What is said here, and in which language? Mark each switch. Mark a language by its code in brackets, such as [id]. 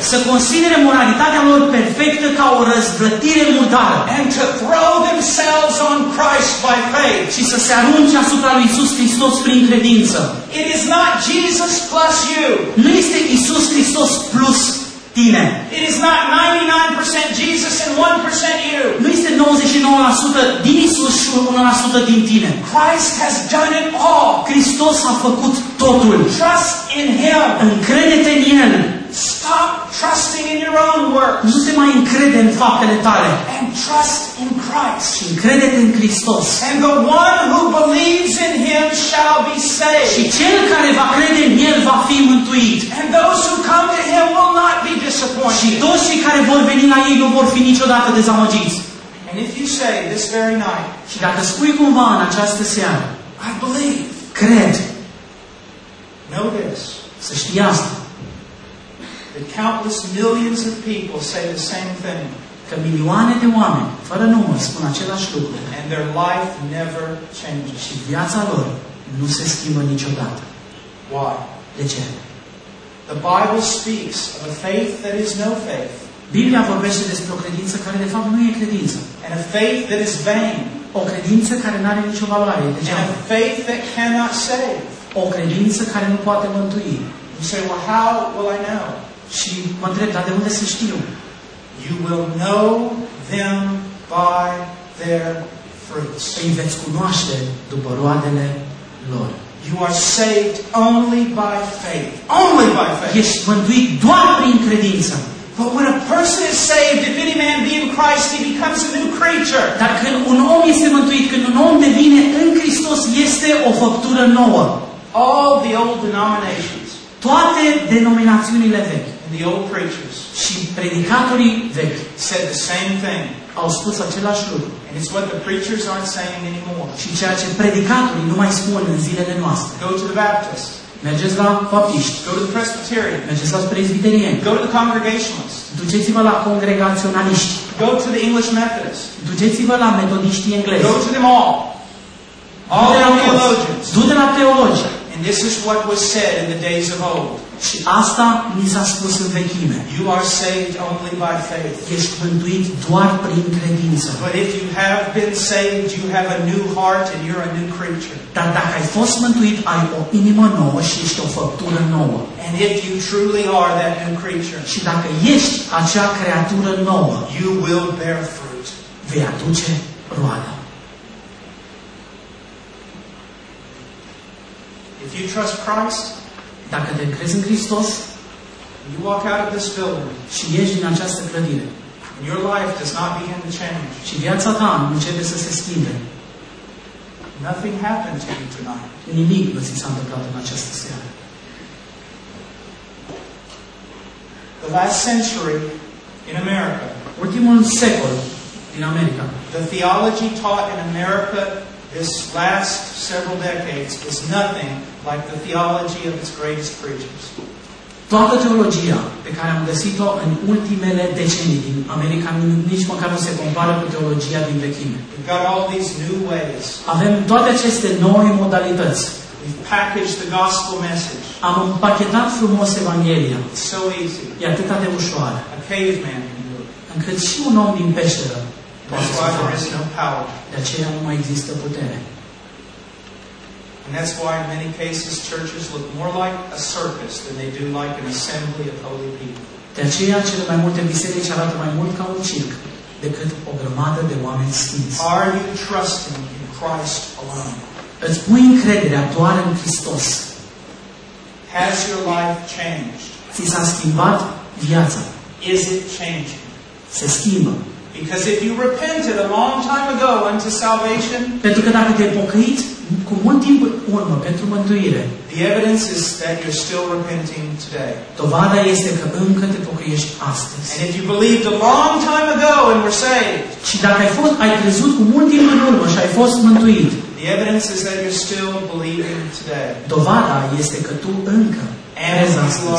[ro] Să considere moralitatea lor perfectă ca o răzvrătire murdară. [en] And to throw themselves on Christ by faith. [ro] Și să se arunce asupra lui Iisus Hristos prin credință. [en] It is not Jesus plus you. [ro] Nu este Iisus Hristos plus tine. [en] It is not 99% Jesus and 1% you. [ro] Nu este 99% din Iisus și 1% din tine. [en] Christ has done it all. [ro] Hristos a făcut totul. [en] Trust in him. [ro] Încrede-te în el. [en] Stop trusting in your own works. [ro] Nu te mai încrede în faptele tale. [en] And trust in Christ. [ro] Și încrede-te în Hristos. [en] And the one who believes in him shall be saved. [ro] Și cel care va crede în el va fi mântuit. [en] And those who come to him will not be disappointed. [ro] Și toți cei care vor veni la el nu vor fi niciodată dezamăgiți. [en] And if you say this very night. [ro] Și dacă spui cumva în această seară. [en] I believe. [ro] Cred. [en] Know this. [ro] Să știi asta. [en] That countless millions of people say the same thing. [ro] Că milioane de oameni, fără număr, spun același lucru. [en] And their life never changes. [ro] Și viața lor nu se schimbă niciodată. [en] Why? [ro] De ce? [en] The Bible speaks of a faith that is no faith. [ro] Biblia vorbește despre o credință care de fapt nu e credință. [en] And a faith that is vain. [ro] O credință care n-are nicio valoare. [en] And a faith that cannot save. [ro] O credință care nu poate mântui. [en] You say, well, how will I know? [ro] Și mă întreb, dar de unde să știu? [en] You will know them by their fruits. [ro] Îi veți cunoaște după roadele lor. [en] You are saved only by faith. Only by faith. [ro] Ești mântuit doar prin credință. [en] But when a person is saved, if any man be in Christ, he becomes a new creature. [ro] Dar când un om este mântuit, când un om devine în Hristos, este o făptură nouă. [en] All the old denominations. [ro] Toate denominațiunile vechi. [en] The old preachers [ro] și predicatorii vechi [en] said the same thing. [ro] au spus același lucru. [en] And it's what the preachers aren't saying anymore. [ro] Și ceea ce predicatorii nu mai spun în zilele noastre. [en] Go to the Baptist. [ro] Mergeți la baptiști. [en] Go to the Presbyterian. [ro] Mergeți la presbiterieni. [en] Go to the Congregationalists. [ro] Duceți-vă la congregaționaliști. [en] Go to the English Methodists. [ro] Duceți-vă la metodiștii englezi. [en] Go to them all. All the theologians. [ro] Du-te la teologi. [en] And this is what was said in the days of old. [ro] Și asta mi s-a spus în vechime. [en] You are saved only by faith. [ro] Ești mântuit doar prin credință. [en] But if you have been saved, you have a new heart and you're a new creature. [ro] Dar dacă ai fost mântuit, ai o inimă nouă și ești o făptură nouă. [en] And if you truly are that new creature, [ro] și dacă ești acea creatură nouă, [en] you will bear fruit. [ro] Vei aduce roadă. [en] If you trust Christ, [ro] dacă te crezi în Hristos, [en] you walk out of this building, [ro] și ieși din această clădire, [en] and your life does not begin to change, [ro] și viața ta nu începe să se schimbe. [en] Nothing happened to you tonight. [ro] Nimic nu ți s-a întâmplat în această seară. [en] The last century in America, [ro] ultimul secol din America, [en] the theology taught in America this last several decades was nothing like the theology of its greatest preachers. [ro] Toată teologia pe care am găsit-o în ultimele decenii din America nici măcar nu se compară cu teologia din vechime. [en] We've got all these new ways. [ro] Avem toate aceste noi modalități. [en] We've packaged the gospel message. [ro] Am împachetat frumos Evanghelia. [en] It's so easy. [ro] E atât de ușoară. [en] A caveman. [ro] Încât și un om din peșteră. [en] That's why there is no power. [ro] De aceea nu mai există putere. [en] And that's why in many cases churches look more like a circus than they do like an assembly of holy people. [ro] De aceea cele mai multe biserici arată mai mult ca un circ decât o grămadă de oameni sfinți. [en] Are you trusting in Christ alone? [ro] Îți pui încrederea doar în Hristos? [en] Has your life changed? [ro] Ți s-a schimbat viața? [en] Is it changing? [ro] Se schimbă. [en] Because if you repented a long time ago unto salvation, [ro] pentru că dacă te-ai pocăit cu mult timp urmă pentru mântuire, [en] the evidence is that you're still repenting today. [ro] Dovada este că încă te pocăiești astăzi. [en] And if you believed a long time ago and were saved, [ro] și dacă ai crezut cu mult timp în urmă și ai fost mântuit, [en] the evidence is that you're still believing today. [ro] Dovada este că tu încă crezi astăzi.